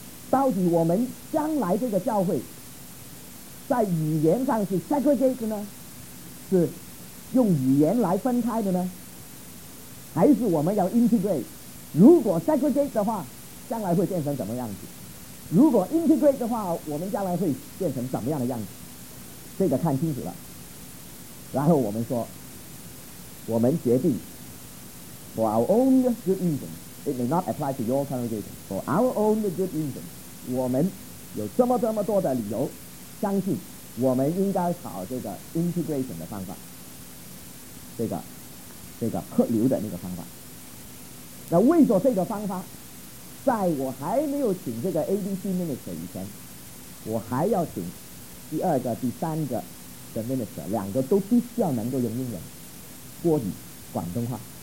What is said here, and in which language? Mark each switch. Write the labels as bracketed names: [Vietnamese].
[Chinese] 到底我们将来这个教会在语言上是 segregate 呢？是用语言来分开的呢？还是我们要 integrate？ 如果 segregate 的话，将来会变成怎么样子？如果 integrate 的话，我们将来会变成怎么样的样子？这个看清楚了，然后我们说，我们决定 [English] for our own good reason， it may not apply to your congregation。 For our own good reason， [Chinese] 我们有这么这么多的理由，相信我们应该考这个 integration 的方法，这个客流的那个方法。那为着这个方法，在我还没有请这个 ABC minister 以前，我还要请第二个第三个的 minister， 两个都必须要能够用英文、国语、广东话。